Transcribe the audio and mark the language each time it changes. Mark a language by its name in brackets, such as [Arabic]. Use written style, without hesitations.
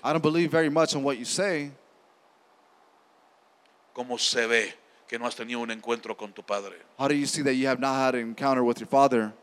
[English] I don't believe very much in what you say. [Spanish] ¿Cómo se ve que no has tenido un encuentro con tu padre? [English] How do you see that you have not had an encounter with your father?